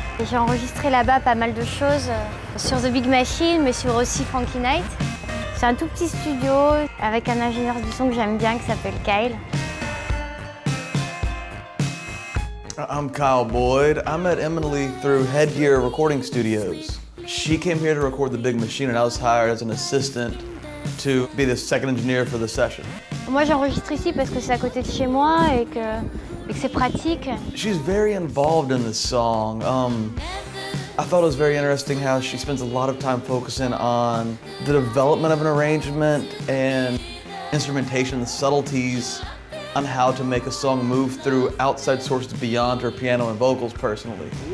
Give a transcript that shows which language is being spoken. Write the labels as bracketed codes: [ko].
[fr] J'ai enregistré là-bas pas mal de choses sur The Big Machine, mais sur aussi Frankie Knight. C'est un tout petit studio avec un ingénieur du son que j'aime bien qui s'appelle Kyle. [en] I'm Kyle Boyd. I met Emily through Headgear Recording Studios. She came here to record The Big Machine and I was hired as an assistant to be the second engineer for the session. [fr] Moi j'enregistre ici parce que c'est à côté de chez moi et que c'est pratique. [en] She's very involved in this song. I thought it was very interesting how she spends a lot of time focusing on the development of an arrangement and instrumentation, the subtleties on how to make a song move through outside sources beyond her piano and vocals personally.